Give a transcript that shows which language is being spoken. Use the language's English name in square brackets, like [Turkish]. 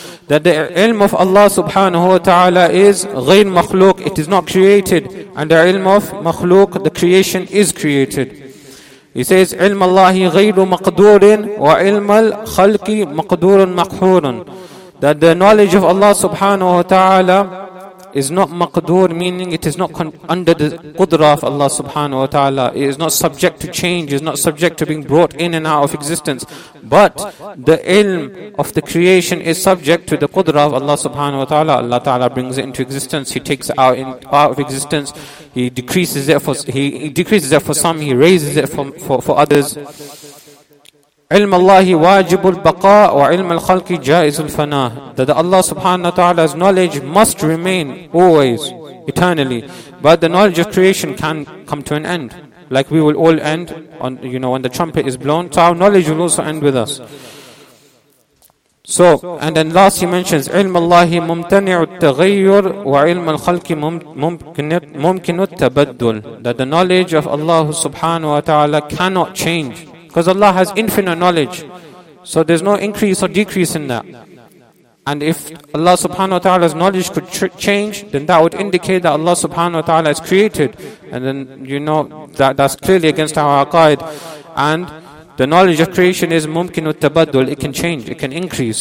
[English] That the ilm of Allah subhanahu wa ta'ala is [Arabic] غير مخلوق, [English] it is not created, and the ilm of مخلوق, the creation is created. He says, [Arabic] علم الله غير مقدور وعلم الخلق مقدور مقهور. [English] That the knowledge of Allah subhanahu wa ta'ala is not مقدور, meaning it is not under the قدرہ of Allah subhanahu wa ta'ala. It is not subject to change, it is not subject to being brought in and out of existence. But the ilm of the creation is subject to the قدرہ of Allah subhanahu wa ta'ala. Allah ta'ala brings it into existence, He takes it out of existence. He decreases it for some, he raises it for others. [Arabic] علم الله واجب البقاء وعلم الخلق جائز الفناء. [English] That Allah subhanahu wa ta'ala's knowledge must remain always, eternally. But the knowledge of creation can come to an end. Like we will all end on, you know, when the trumpet is blown, so our knowledge will also end with us. So, and then last he mentions, [Arabic] عِلْمَ اللَّهِ مُمْتَنِعُ التَّغَيُّرُ وَعِلْمَ الْخَلْقِ مُمْكِنُ التَّبَدُّلُ. [English] That the knowledge of Allah subhanahu wa ta'ala cannot change. Because Allah has infinite knowledge. So there's no increase or decrease in that. And if Allah subhanahu wa ta'ala's knowledge could change, then that would indicate that Allah subhanahu wa ta'ala is created. And then, you know, that's clearly against our aqaid. And the knowledge of creation is mumkin al-tabaddul, it can change, it can increase.